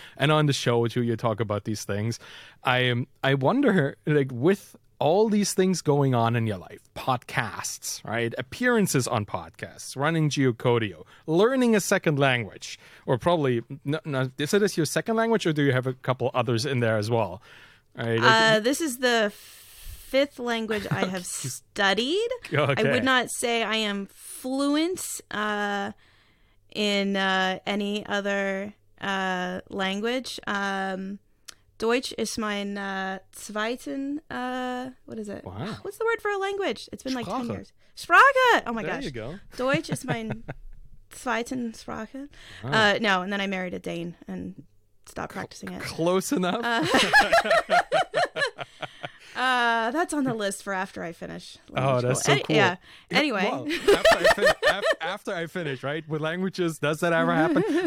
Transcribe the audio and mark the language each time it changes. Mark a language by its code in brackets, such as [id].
[en] And on the show too, you talk about these things. I wonder, like, with all these things going on in your life, podcasts, right, appearances on podcasts, running Geocodio, learning a second language, or probably not, is it this your second language, or do you have a couple others in there as well? This is the fifth language I have studied. Okay. I would not say I am fluent in any other language. [de] Deutsch ist mein zweiten, [en] what is it? Wow. What's the word for a language? It's been Sprache. Like 10 years. Sprache! Oh my there gosh. There you go. [de] Deutsch ist mein zweiten Sprache. [en] Wow. No, and then I married a Dane and stopped practicing it. Close enough. That's on the list for after I finish. Oh, that's so cool. Yeah. Anyway. Well, after I finish, right? With languages, does that ever happen?